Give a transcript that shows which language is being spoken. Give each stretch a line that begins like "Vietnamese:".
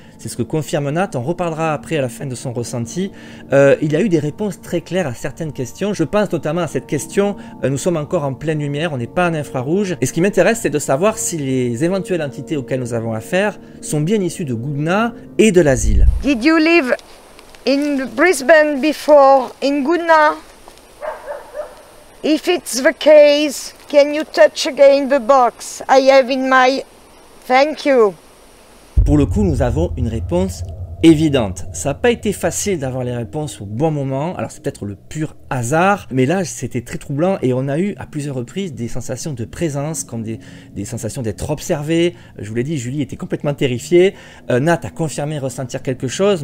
French: C'est ce que confirme Nat, on reparlera après à la fin de son ressenti. Il y a eu des réponses très claires à certaines questions. Je pense notamment à cette question, nous sommes encore en pleine lumière, on n'est pas en infrarouge. Et ce qui m'intéresse c'est de savoir si les éventuelles entités auxquelles nous avons affaire sont bien issues de Goodna et de l'asile.
English: Did you live in Brisbane before in Goodna? If it's the case, can you touch again the box I have in my... Thank you.
French: Pour le coup, nous avons une réponse évidente. Ça n'a pas été facile d'avoir les réponses au bon moment. Alors, c'est peut-être le pur hasard. Mais là, c'était très troublant. Et on a eu à plusieurs reprises des sensations de présence, comme des sensations d'être observé. Je vous l'ai dit, Julie était complètement terrifiée. Nat a confirmé ressentir quelque chose.